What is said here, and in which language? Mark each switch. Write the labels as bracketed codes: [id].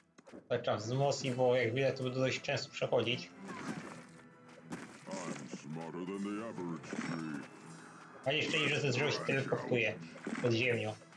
[pl] Tutaj trzeba wzmocnić, bo jak widać, to będę dość często przechodzić. [en] I'm smarter than the average tree. [pl] A jeszcze nie, że ze drzewa się teleportuje pod ziemią.